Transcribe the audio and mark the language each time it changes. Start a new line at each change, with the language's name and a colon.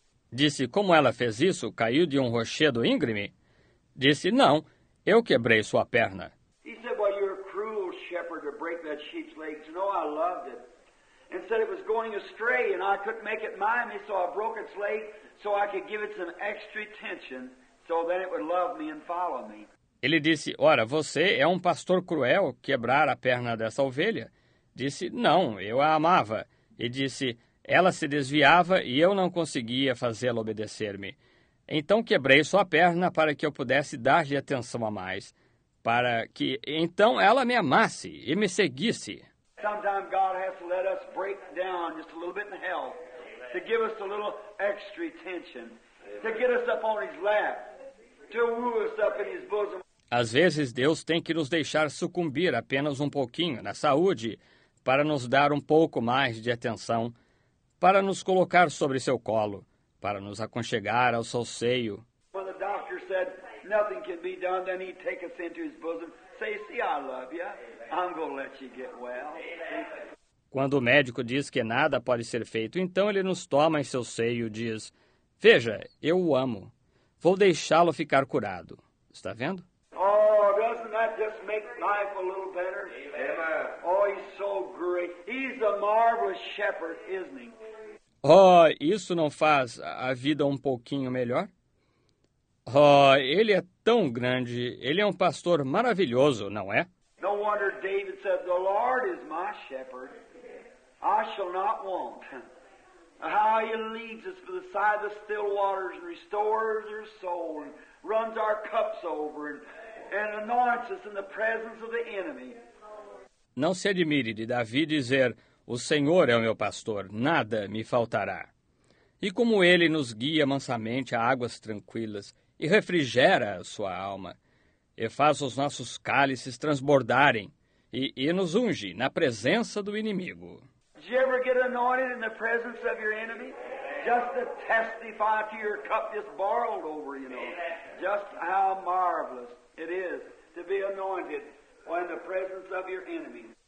Portuguese: Disse, como ela fez isso? Caiu de um rochedo íngreme? Disse, não, eu quebrei sua perna.
English: He said, well, you're a cruel shepherd to break that sheep's legs. No, I loved it. And said it was going astray, and I couldn't make it mind me, so I broke its leg, so I could give it some extra attention, so that it would love me and follow me.
Portuguese: Ele disse, ora, você é um pastor cruel, quebrar a perna dessa ovelha? Disse, não, eu a amava. E disse, ela se desviava e eu não conseguia fazê-la obedecer-me. Então quebrei sua perna para que eu pudesse dar-lhe atenção a mais, para que então ela me amasse e me seguisse.
English: Sometimes God has to let us break down just a little bit in health. Amen. To give us a little extra attention. Amen. To get us up on his lap. To woo us up in his bosom.
Portuguese: Às vezes Deus tem que nos deixar sucumbir apenas um pouquinho na saúde para nos dar um pouco mais de atenção, para nos colocar sobre seu colo, para nos aconchegar ao seu seio.
English: When the doctor said nothing can be done, then he'd take us into his bosom. Say, see, I love you. I'm gonna let you get well.
Portuguese: Quando o médico diz que nada pode ser feito, então ele nos toma em seu seio e diz, veja, eu o amo. Vou deixá-lo ficar curado. Está vendo?
English: Oh, doesn't that just make life a little better? Amen. Oh, he's so great. He's a marvelous shepherd, isn't he?
Portuguese: Oh, isso não faz a vida um pouquinho melhor? Oh, ele é tão grande. Ele é um pastor maravilhoso, não é?
English: No wonder David said, the Lord is my shepherd. I shall not want. How he leads us by the side of the still waters and restores our soul and runs our cups over and anoints us in the presence of the enemy.
Portuguese: Não se admire de Davi dizer, o Senhor é o meu pastor, nada me faltará. E como ele nos guia mansamente a águas tranquilas e refrigera a sua alma, e faz os nossos cálices transbordarem, e nos unge na presença do inimigo.
English: Did you ever get anointed in the presence of your enemy? Just to testify to your cup just borrowed over, you know. Just how marvelous it is to be anointed in the presence of your enemy.